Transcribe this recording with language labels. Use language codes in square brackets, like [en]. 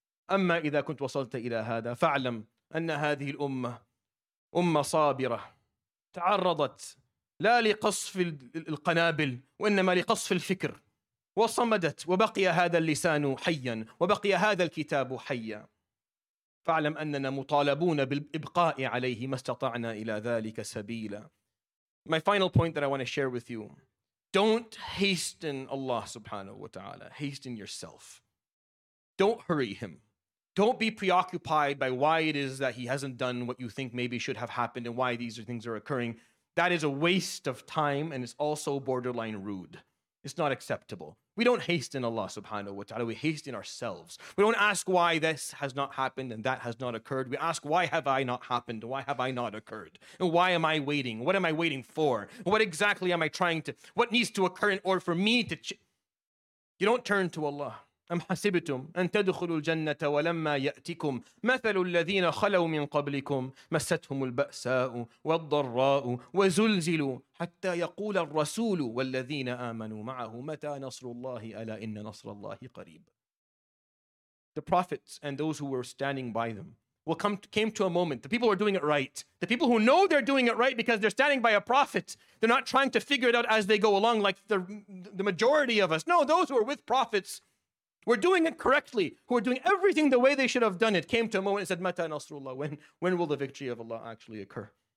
[ar] أما إذا كنت وصلت إلى هذا فاعلم أن هذه الأمة أمة صابرة، تعرضت لا لقصف القنابل وإنما لقصف الفكر، وصمدت وبقي هذا اللسان حيا وبقي هذا الكتاب حيا، فاعلم أننا مطالبون بالإبقاء عليه ما استطعنا إلى ذلك سبيلا. [en] My final point that I want to share with you: don't hasten Allah subhanahu wa ta'ala, hasten yourself. Don't hurry him. Don't be preoccupied by why it is that he hasn't done what you think maybe should have happened and why these things are occurring. That is a waste of time, and it's also borderline rude. It's not acceptable. We don't hasten Allah subhanahu wa ta'ala, we hasten ourselves. We don't ask why this has not happened and that has not occurred. We ask, why have I not happened? Why have I not occurred? And why am I waiting? What am I waiting for? What exactly am I trying to, what needs to occur in order for me to You don't turn to Allah. [ar] أَمْ حَسِبْتُمْ أَنْ تَدْخُلُوا الْجَنَّةَ وَلَمَّا يَأْتِكُمْ مَثَلُ الَّذِينَ خَلَوْا مِنْ قَبْلِكُمْ مَسَّتْهُمُ الْبَأْسَاءُ وَالضَّرَّاءُ وَزُلْزِلُوا حَتَّى يَقُولَ الرَّسُولُ وَالَّذِينَ آمَنُوا مَعَهُ مَتَى نَصْرُ اللَّهِ أَلَا إِنَّ نَصْرَ اللَّهِ قَرِيبٌ. [en] The prophets and those who were standing by them will come to, came to a moment. The people who are doing it right, the people who know they're doing it right because they're standing by a prophet, they're not trying to figure it out as they go along like the majority of us. No, those who are with prophets, we're doing it correctly, who are doing everything the way they should have done it, came to a moment and said, [ar] "Mata nasrullah? [en] When will the victory of Allah actually occur?"